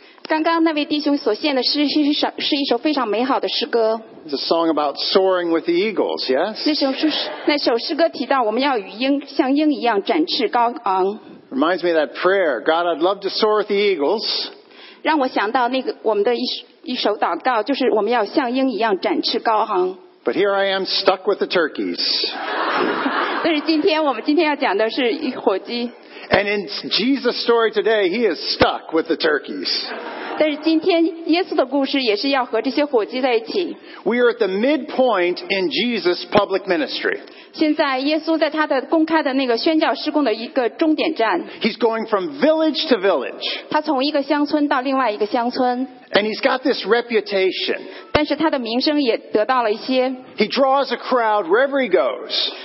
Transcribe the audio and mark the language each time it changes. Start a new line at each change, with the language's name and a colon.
Chinese: 刚刚那位弟兄所献的诗是一首非常美好的诗歌。
English: It's a song about soaring with the eagles. Yes.
Chinese: 那首诗歌提到我们要与鹰像鹰一样展翅高昂。
English: Reminds me of that prayer, God, I'd love to soar with the eagles.
Chinese: 让我想到那个我们的一首祷告，就是我们要像鹰一样展翅高航。
English: But here I am stuck with the turkeys.
Chinese: 但是今天要讲的是火鸡。
English: And in Jesus' story today, he is stuck with the turkeys.
Chinese: 但是今天耶稣的故事也是要和这些火鸡在一起。
English: We are at the midpoint in Jesus' public ministry.
Chinese: 现在耶稣在他的公开的那个宣教施工的一个终点站。
English: He's going from village to village.
Chinese: 他从一个乡村到另外一个乡村。
English: And he's got this reputation.
Chinese: 但是他的名声也得到了一些。
English: He draws a crowd wherever he goes.